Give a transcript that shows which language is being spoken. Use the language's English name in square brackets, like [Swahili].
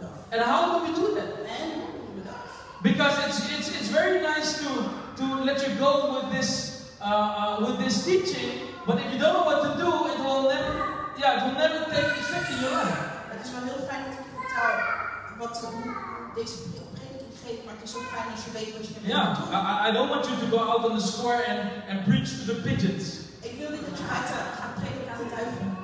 [English] And how do we do that? Because it's very nice to let you go with this teaching, but if you don't know what to do, it will never take effect in your life. [Dutch] Het is wel heel fijn dat ik je vertel wat te doen. Deze prediking geeft, maar het is ook fijn als je weet wat je moet doen. [English] Yeah, I don't want you to go out on the square and preach to the pigeons. [Dutch] Ik wil niet dat je gaat preken aan de duiven.